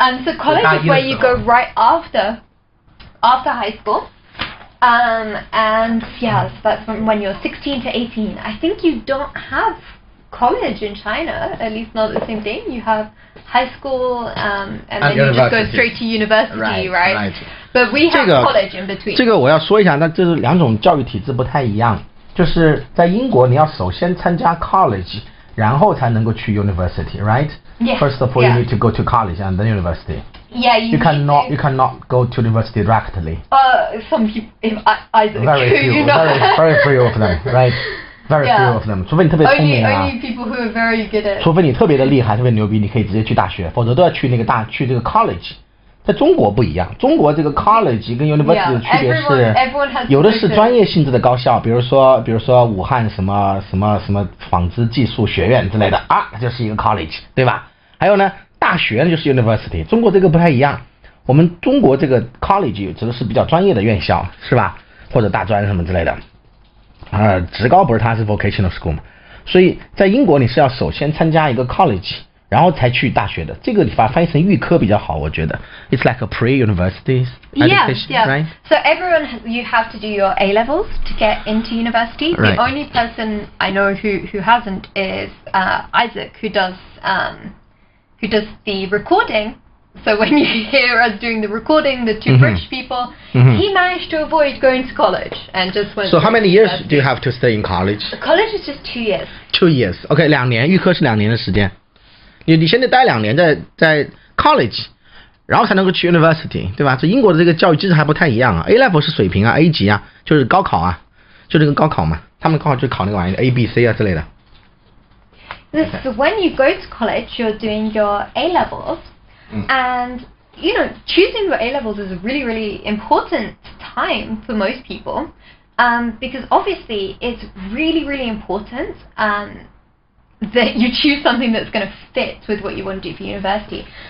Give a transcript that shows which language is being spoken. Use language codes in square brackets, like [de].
[en] So college is where you go right after high school. So that's when you're 16 to 18. I think you don't have college in China, at least not the same thing. You have high school, and then you just go straight to university, right? But we have college in between. [zh] 这个我要说一下，那这是两种教育体制不太一样。就是在英国，你要首先参加 college， 然后才能够去 university， [en] right？ Yes, first of all,、 yeah. you need to go to college and then university. Yeah, you, need cannot, to. You cannot go to university directly. Some people, if I very few, you know. Very, very few of them, right? Very、 yeah. few of them. [zh] 除非你特别聪明啊。 [en] Only people who are very good at. [zh] 除非你特别的厉害，特别牛逼，你可以直接去大学，否则都要去那个大，去这个 college。在中国不一样，中国这个 college 跟 university 的区别是，有的是专业性质的高校，比如说武汉什么什么什么纺织技术学院之类的啊，就是一个 college， 对吧？还有呢，大学就是 university， 中国这个不太一样，我们中国这个 college 指的是比较专业的院校，是吧？或者大专什么之类的，职高不是它是 [en] vocational school [zh] 嘛，所以在英国你是要首先参加一个 college。然后才去大学的，这个你把翻译成预科比较好，我觉得。 [en] It's like a pre-university education, yeah, yeah. right? So everyone, you have to do your A-levels to get into university. Right. The only person I know who hasn't is、Isaac, who does the recording. So when you hear us doing the recording, the two、 mm-hmm. British people,、 mm-hmm. he managed to avoid going to college and just went So how many years、 university. Do you have to stay in college? College is just 2 years. 2 years. Okay, 两年，预科是两年的时间。你先得待两年在 college， 然后才能够去 university， 对吧？这英国的这个教育机制还不太一样啊。 A level 是水平啊 ，A 级啊，就是高考啊，就这个高考嘛。他们高考就考那个玩意 A、B、C 啊之类的。 This is when you go to college, you're doing your A levels,、嗯、 and you know choosing your A levels is a really, really important time for most people, because obviously it's really, really important, that you choose something that's going to fit with what you want to do for university.